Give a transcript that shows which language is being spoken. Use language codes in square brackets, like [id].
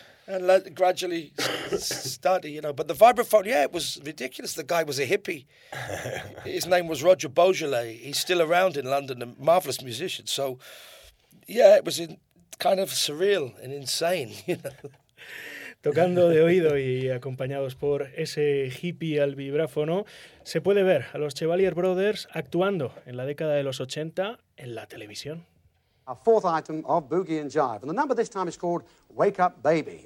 [en] And gradually study, you know. But the vibraphone, yeah, it was ridiculous. The guy was a hippie. His name was Roger Beaujolais. He's still around in London, a marvelous musician. So, Yeah, it was in kind of surreal and insane, you know. [es] Tocando de oído y acompañados por ese hippie al vibráfono, se puede ver a los Chevalier Brothers actuando en la década de los 80 en la televisión. [en] A fourth item of Boogie and Jive. And the number this time is called Wake Up Baby.